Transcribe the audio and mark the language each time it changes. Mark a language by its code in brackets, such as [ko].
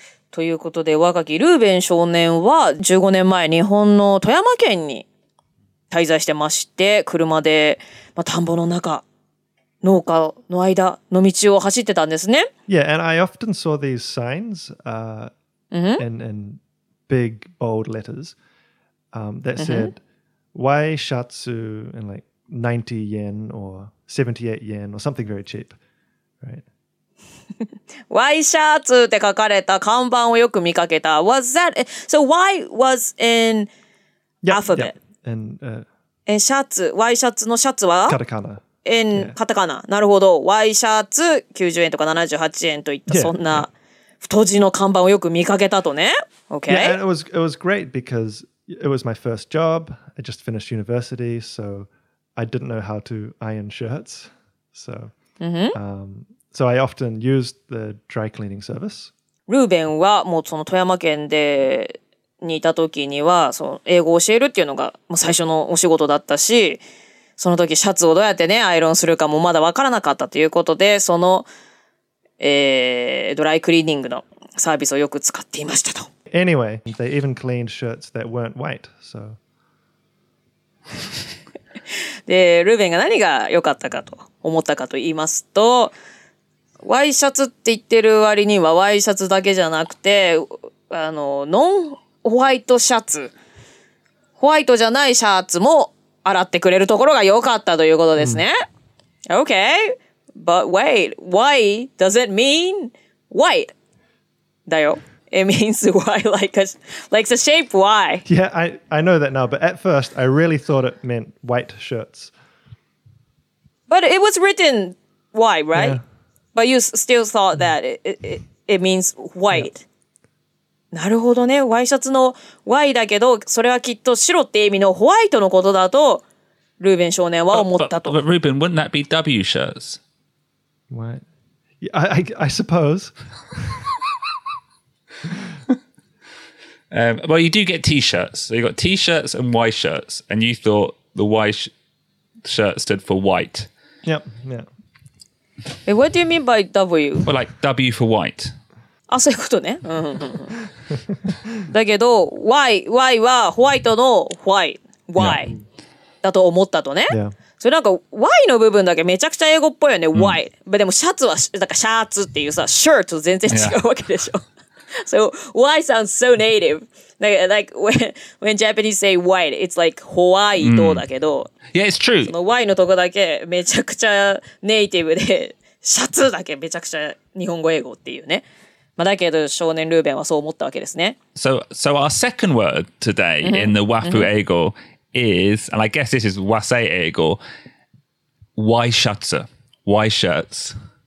[ja] ということで、若きルーベン少年は15年前日本の富山県に滞在してまして、車で、まあ、田んぼの中、農家の間の道を走ってたんですね。 [en] Yeah, and I often saw these signs, in big bold letters, that said, why shatsu in like 90 yen or 78 yen or something very cheap, right? [ja] ワイシャツって書かれた看板をよく見かけた。 [en] Was that so? Why was in alphabet? And [ja] シャツ、ワイシャツのシャツはカタカナ。 [en] In [ja] カタカナ。なるほど。ワイシャツ90円とか78円といったそんな太字の看板をよく見かけたとね。 [en] Okay. Yeah, and it was great because it was my first job. I just finished university, so I didn't know how to iron shirts. So. So I often used the dry cleaning service. [ja] Ruben はもうその富山県でにいた時にはその英語を教えるっていうのが最初のお仕事だったし、その時シャツをどうやってねアイロンするかもまだわからなかったということで、その、ドライクリーニングのサービスをよく使っていましたと。 [en] Anyway, they even cleaned shirts that weren't white, so. [ja] で、ルーベンが何が良かったかと思ったかと言いますと、ワイシャツって言ってる割にはワイシャツだけじゃなくて、あのノンホワイトシャツ、ホワイトじゃないシャツも洗ってくれるところが良かったということですね。 [en] Okay, but wait, why does it mean white? [ja] だよ。 [en] It means why, like the shape why. Yeah, I know that now, but at first I really thought it meant white shirts. But it was written why, right? Yeah. But you still thought that it means white. [ja] なるほどね。ワイシャツの Y だけど、それはきっと白って意味のホワイトのことだと、ルーベン少年は思ったと。 [en] But Ruben, wouldn't that be W shirts? What? I suppose. well, you do get T-shirts. So you got T-shirts and Y shirts, and you thought the Y shirt stood for white. Yep, yep. What do you mean by W? Well, like W for white. [ja] あ、そういうことね。だけど、Y はホワイトの Y、 [en] yeah. [ja] だと思ったとね。 [en] Yeah. [ja] それなんか Y の部分だけめちゃくちゃ英語っぽいよね、Y。 Mm. でもシャツはだからシャーツっていうさ、shirt と全然違うわけでしょ。 [en] Yeah. So Y sounds so native. Like when Japanese say white, it's like Hawaii [ja] とだけど。 Mm. [en] Yeah, it's true. [ja] その Y のとこだけめちゃくちゃネイティブで、シャツだけめちゃくちゃ日本語英語っていうね。まあ、だけど少年ルーベンはそう思ったわけですね。 [en] So our second word today in the Wafu 英語 is, and I guess this is Wasei 英語, Y シャツ, Y shirts.